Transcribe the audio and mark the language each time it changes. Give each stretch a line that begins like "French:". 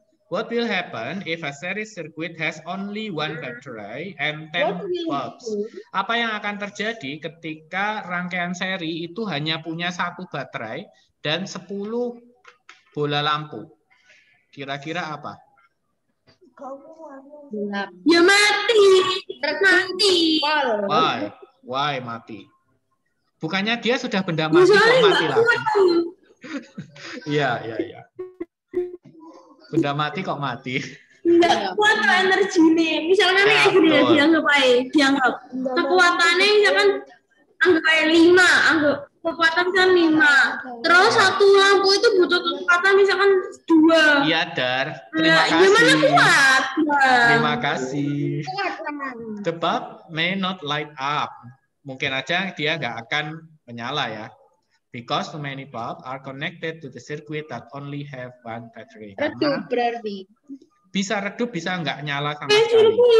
English: What will happen if a series circuit has only one battery and 10 bulbs?
Indonesian: Apa yang akan terjadi ketika rangkaian seri itu hanya punya satu baterai dan 10 bola lampu? Kira-kira apa? Ya mati. Mati.
English: Why? Why mati?
Indonesian: Bukannya dia sudah benda mati, kok mati lagi? Iya, iya, iya. Benda mati kok mati? Enggak kuat lah energi ini. Misalnya kayak gini ya, dianggap aja. Dianggap. Kekuatannya misalkan anggap aja 5. Anggap kekuatan kan 5. Terus satu lampu itu butuh kekuatan misalkan 2. Iya, Dar. Terima kasih. Gimana kuat? Terima kasih.
English: The bulb may not light up.
Indonesian: Mungkin aja dia enggak akan menyala ya.
English: Because too many bulbs are connected to the circuit that only have one battery.
Indonesian: Redup berarti. Bisa redup, bisa enggak nyala sama sekali.